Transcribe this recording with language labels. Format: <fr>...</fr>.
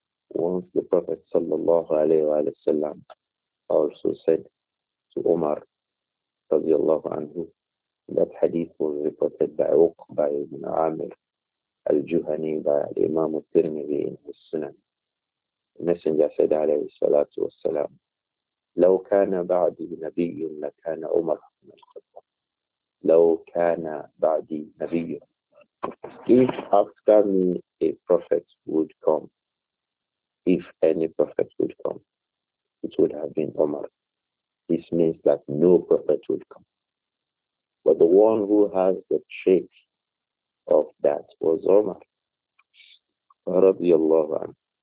<en>Once the Prophet sallallahu alayhi wa sallam also said to Umar radiallahu anhu, that hadith was reported by Uqba ibn Amir al-Juhani by Imam al-Tirmidhi in his Sunan. The Messenger said,</en> <ar>alayhi salatu wa salam, لو كان بعد نبي لكان عمر بن الخطاب. لو كان بعد نبي.</ar> <en>If after me a prophet would come, if any prophet would come, it would have been Umar. This means that no prophet would come. But the one who has the trait of that was Umar radiallahu anhu.</en>